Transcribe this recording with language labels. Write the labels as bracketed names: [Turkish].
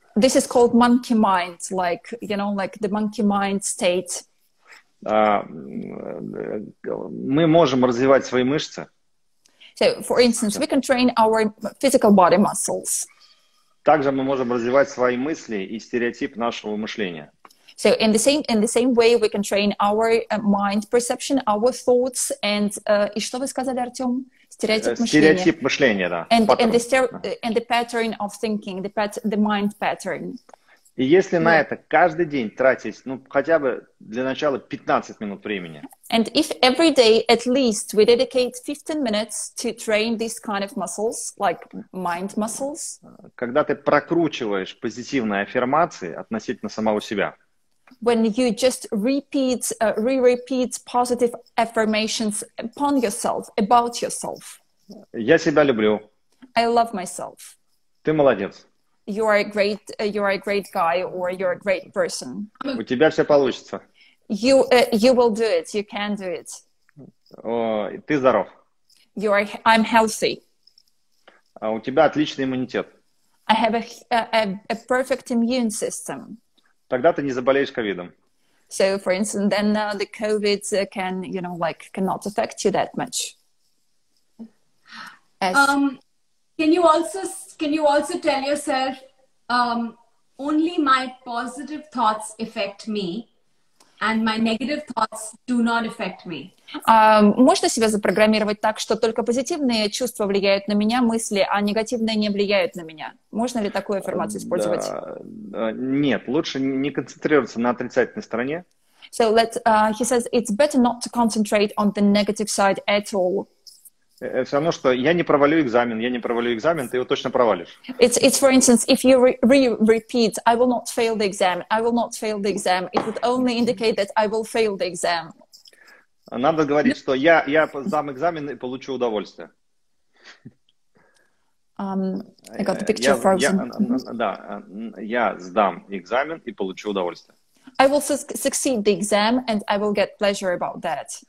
[English] This is called monkey mind, like, you know, like the monkey mind state. [Russian] Мы можем развивать свои мышцы. [English] So, for instance, we can train our physical body muscles. [Russian] Также мы можем развивать свои мысли и стереотип нашего мышления. [English] So in the same way we can train our mind perception, our thoughts, and [Russian] и что вы сказали, Артём? Стереотип мышления, да. [English] And the pattern of thinking, the mind pattern. [Russian] И если на это каждый день тратить, ну, хотя бы для начала 15 минут времени. [English] And if every day at least we dedicate 15 minutes to train these kind of muscles, like mind muscles. [Russian] Когда ты прокручиваешь позитивные аффирмации относительно самого себя. [English] When you just repeat, re-repeat positive affirmations upon yourself, about yourself. [Russian] Я себя люблю. [English] I love myself. [Russian] Ты молодец. [English] You are a great guy, or you're a great person. [Russian] У тебя все получится. [English] You will do it. You can do it. [Russian] Ты здоров. [English] I'm healthy. [Russian] У тебя отличный иммунитет. [English] I have a perfect immune system. [Russian] Тогда ты не заболеешь ковидом. [English] So, for instance, then the COVID can, you know, like, cannot affect you that much. Can you also tell yourself, only my positive thoughts affect me, and my negative thoughts do not affect me? [Russian] Можно себя запрограммировать так, что только позитивные чувства влияют на меня, мысли, а негативные не влияют на меня? Можно ли такую аффирмацию использовать? Да. Нет, лучше не концентрироваться на отрицательной стороне. [English] So he says it's better not to concentrate on the negative side at all. [Russian] Все равно, что я не провалю экзамен, ты его точно провалишь. [English] It's for instance, if you repeat, I will not fail the exam, I will not fail the exam, it would only indicate that I will fail the exam. [Russian] Надо говорить, что я сдам экзамен и получу удовольствие. [English] I got the picture [Russian] frozen. Да, я сдам экзамен и получу удовольствие. [English] I will succeed the exam and I will get pleasure about that.